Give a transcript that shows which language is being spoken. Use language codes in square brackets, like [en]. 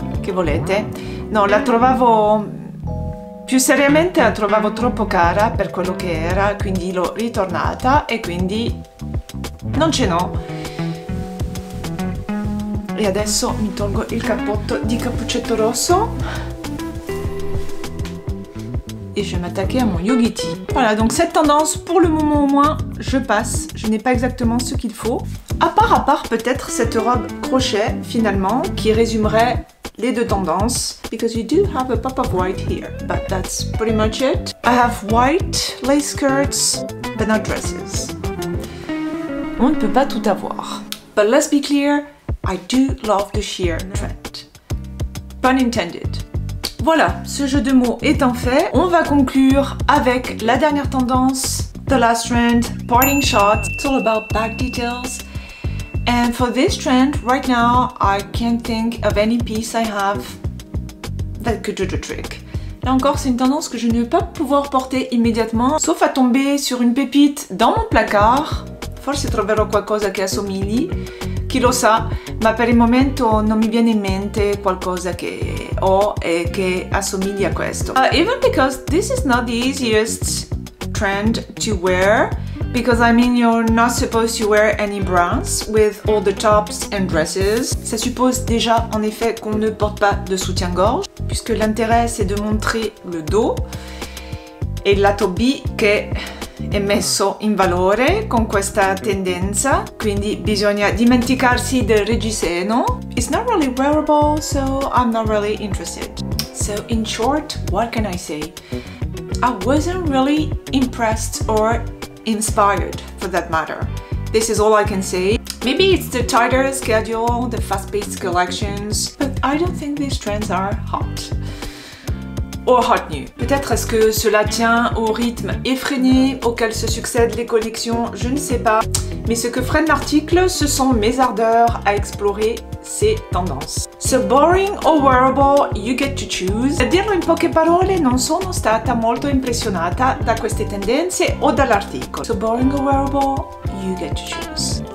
[it] Che volete? No, la trovavo... Più seriamente la trovavo troppo cara per quello che era, quindi l'ho ritornata e quindi Non ce n'ho. E adesso mi tolgo il cappotto di cappuccetto rosso. [fr] Et je vais m'attaquer à mon yogi tee. Voilà, donc cette tendance, pour le moment au moins, je passe. Je n'ai pas exactement ce qu'il faut. À part peut-être cette robe crochet, finalement, qui résumerait les deux tendances. [en] Because you do have a pop of white here. But that's pretty much it. I have white lace skirts, but not dresses. [fr] On ne peut pas tout avoir. [en] But let's be clear, I do love the sheer trend. Pun intended. [fr] Voilà, ce jeu de mots étant fait, on va conclure avec la dernière tendance, [en] the last trend, parting shot. It's all about back details. And for this trend, right now, I can't think of any piece I have that could do the trick. [fr] Là encore, c'est une tendance que je ne vais pas pouvoir porter immédiatement, sauf à tomber sur une pépite dans mon placard. [it] Forse troverò qualcosa che assomigli. Chi lo sa, ma per il momento non mi viene in mente qualcosa che ho e che assomiglia a questo. [en] Even because this is not the easiest trend to wear, because I mean you're not supposed to wear any bras with all the tops and dresses. [fr] Ça suppose déjà en effet qu'on ne porte pas de soutien-gorge, puisque l'intérêt c'est de montrer le dos et la [it] tobi che è messo in valore con questa tendenza, quindi bisogna dimenticarsi del reggiseno. [en] It's not really wearable, so I'm not really interested. So in short, what can I say? I wasn't really impressed or inspired, for that matter. This is all I can say. Maybe it's the tighter schedule, the fast-paced collections, but I don't think these trends are hot. Or hot new. [fr] Peut-être est-ce que cela tient au rythme effréné auquel se succèdent les collections, je ne sais pas. Mais ce que freine l'article, ce sont mes ardeurs à explorer ces tendances. [en] So boring or wearable, you get to choose. [it] A dirlo in poche parole, non sono stata molto impressionata da queste tendenze o dall'articolo. [en] So boring or wearable, you get to choose.